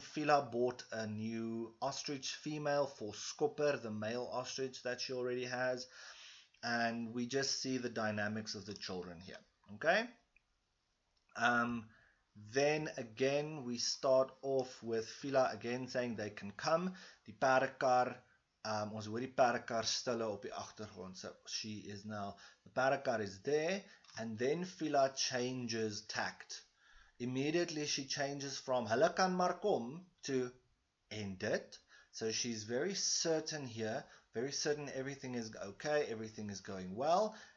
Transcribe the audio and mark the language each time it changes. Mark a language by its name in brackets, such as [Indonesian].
[English] Fila bought a new ostrich female for Skopper, the male ostrich that she already has. And we just see the dynamics of the children here. Okay, Then again, we start off with Fiela again saying they can come. [Afrikaans] Die perdekar, ons hoor die perdekar stille op die agtergrond. [English] So she is now, the perdekar is there, and then Fiela changes tact. Immediately she changes from [Afrikaans] hulle kan maar kom [English] to end it. So she's very certain here, very certain everything is okay, everything is going well.